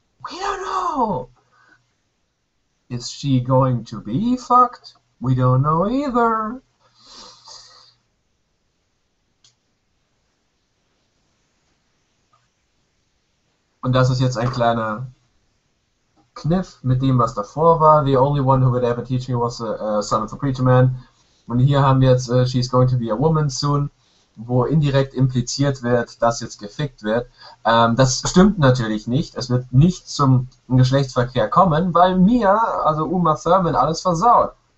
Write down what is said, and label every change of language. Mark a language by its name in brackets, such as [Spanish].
[English] We don't know. Is she going to be fucked? We don't know either. [German] Und das ist jetzt ein kleiner Kniff mit dem, was davor war. [English] The only one who would ever teach me was the son of a preacher man. [German] Und hier haben wir jetzt, [English] she's going to be a woman soon. [German] Wo indirekt impliziert wird, dass jetzt gefickt wird. Das stimmt natürlich nicht. Es wird nicht zum Geschlechtsverkehr kommen, weil mir, also Uma Thurman, alles versaut.